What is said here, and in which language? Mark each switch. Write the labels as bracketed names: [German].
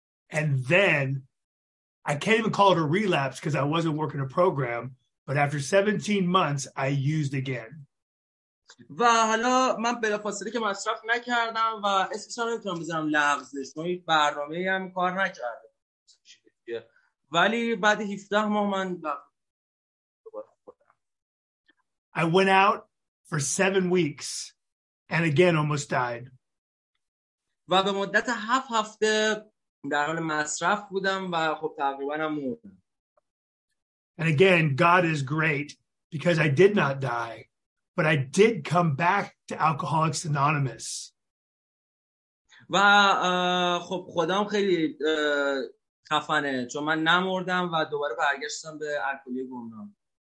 [English] And then I can't even call it a relapse because I wasn't working a program, but after 17 months I used again. [Persian] و حالا من بلافاصله که مصرف نکردم و اسمش رو نمیتونم بذارم لغزش، من هیچ برنامه‌ای هم کار نکردم. ولی بعد 17 ماه من [English] I went out for 7 weeks and again almost died. [Persian] و به مدت 7 هفته در حال مصرف بودم و خب تقریبا هم مردم. [English] And again God is great because I did not die. But I did come back to Alcoholics Anonymous. [Persian] و خب خودم خیلی خفنه چون من نمردم و دوباره برگشتم به الکلی گمنام.